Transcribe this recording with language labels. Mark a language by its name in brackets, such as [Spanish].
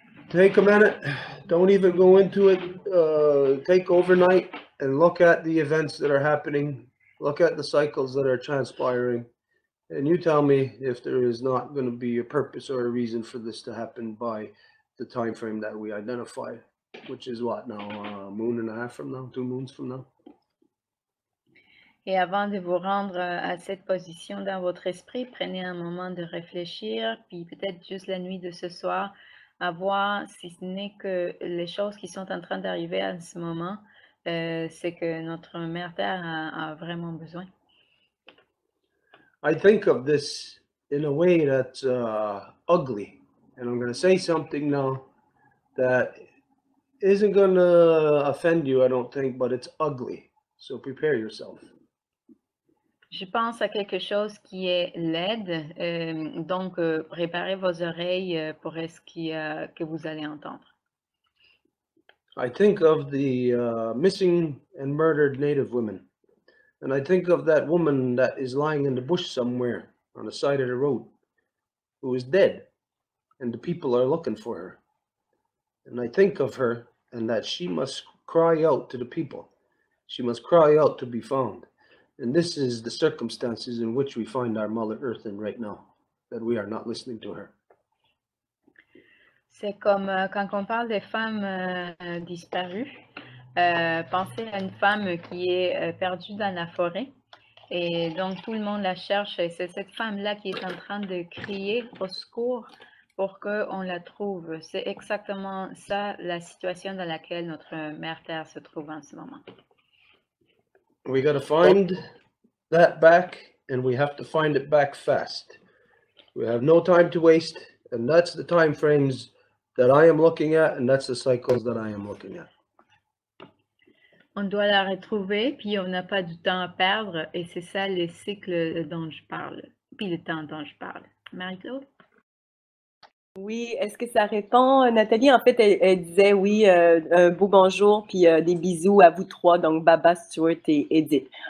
[English] Take a minute, don't even go into it, take overnight and look at the events that are happening, look at the cycles that are transpiring, and you tell me if there is not going to be a purpose or a reason for this to happen by the time frame that we identify, which is what now, a moon and a half from now, 2 moons from now? [French] Et avant de vous rendre à cette position dans votre esprit, prenez un moment de réfléchir, puis peut-être juste la nuit de ce soir, à voir si ce n'est que les choses qui sont en train d'arriver à ce moment, c'est que notre mère Terre a vraiment besoin. [English] I think of this in a way that's ugly, and I'm going to say something now that isn't going to offend you, I don't think, but it's ugly. So prepare yourself. [French] Je pense à quelque chose qui est laid, donc préparez vos oreilles pour ce qui, que vous allez entendre. [English] I think of the missing and murdered native women. And I think of that woman that is lying in the bush somewhere on the side of the road, who is dead, and the people are looking for her. And I think of her and that she must cry out to the people. She must cry out to be found. And this is the circumstances in which we find our Mother Earth in right now, that we are not listening to her. [French] C'est comme quand on parle des femmes disparues. Pensez à une femme qui est perdue dans la forêt. Et donc tout le monde la cherche. Et c'est cette femme-là qui est en train de crier au secours pour qu'on la trouve. C'est exactement ça la situation dans laquelle notre Mère Terre se trouve en ce moment. [English] We got to find that back, and we have to find it back fast. We have no time to waste, and that's the time frames that I am looking at, and that's the cycles that I am looking at. [French] On doit la retrouver, puis on n'a pas du temps à perdre, et c'est ça les cycles dont je parle, puis le temps dont je parle. Marie-Claude? Oui, est-ce que ça répond? Nathalie, en fait, elle disait oui, un beau bonjour, puis des bisous à vous trois, donc Baba, Stuart et Edith.